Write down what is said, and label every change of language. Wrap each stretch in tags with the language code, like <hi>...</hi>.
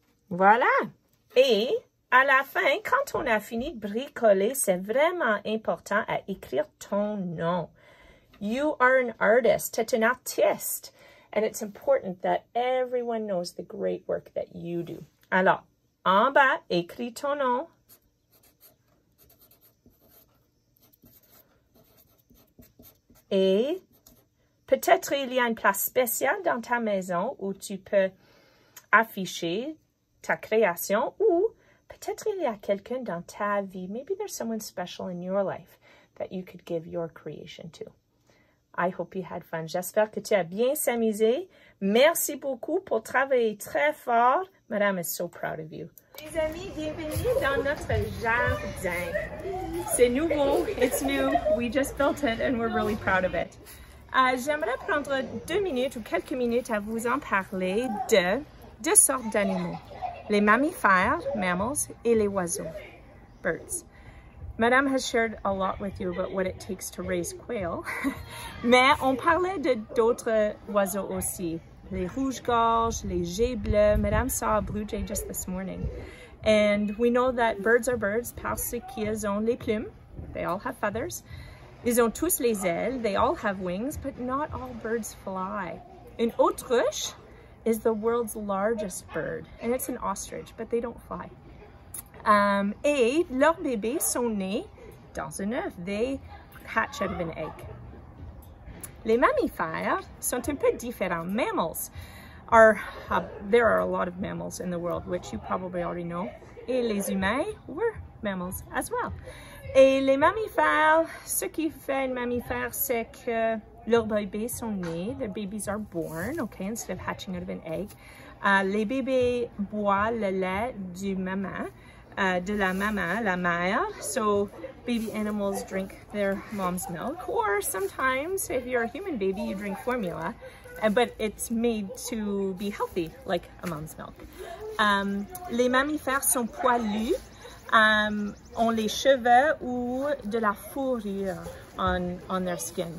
<fr>Voilà. Et à la fin, quand on a fini de bricoler, c'est vraiment important à écrire ton nom.</fr> <en>You are an artist.</en> <fr>T'es un artiste.</fr> <en>And it's important that everyone knows the great work that you do.</en> <fr>Alors, en bas, écris ton nom. Et peut-être il y a une place spéciale dans ta maison où tu peux afficher ta création, ou peut-être il y a quelqu'un dans ta vie.</fr> <en>Maybe there's someone special in your life that you could give your creation to. I hope you had fun.</en> <fr>J'espère que tu as bien s'amusé. Merci beaucoup pour travailler très fort.</fr> <en>Madame is so proud of you.</en> <fr>Les amis, bienvenue dans notre jardin. C'est nouveau.</fr> <en>It's new. We just built it and we're really proud of it.</en> <fr>J'aimerais prendre deux minutes ou quelques minutes à vous en parler de deux sortes d'animaux. Les mammifères, mammals, et les oiseaux, birds.</fr> <en>Madame has shared a lot with you about what it takes to raise quail.</en> <fr>Mais on parlait de d'autres oiseaux aussi. Les rouges-gorges, les jais bleus.</fr> <en>Madame saw a blue jay just this morning. And we know that birds are birds</en> <fr>parce qu'ils ont les plumes.</fr> <en>They all have feathers.</en> <fr>Ils ont tous les ailes.</fr> <en>They all have wings, but not all birds fly.</en> <fr>Une autruche</fr> <en>is the world's largest bird, and it's an ostrich, but they don't fly.</en> <fr>Et leurs bébés sont nés dans un œuf.</fr> <en>They hatch out of an egg.</en> <fr>Les mammifères sont un peu différents.</fr> <en>Mammals are, there are a lot of mammals in the world, which you probably already know.</en> <fr>Et les humains,</fr> <en>we're mammals as well.</en> <fr>Et les mammifères, ce qui fait un mammifère, c'est que Leurs bébés sont nés.</fr> <en>Their babies are born, okay, instead of hatching out of an egg.</en> <fr>Les bébés boivent le lait du maman, de la maman, la mère.</fr> <en>So baby animals drink their mom's milk. Or sometimes if you're a human baby, you drink formula. But it's made to be healthy, like a mom's milk.</en> <fr>Les mammifères sont poilus, ont les cheveux ou de la fourrure</fr> <en>on their skin.</en>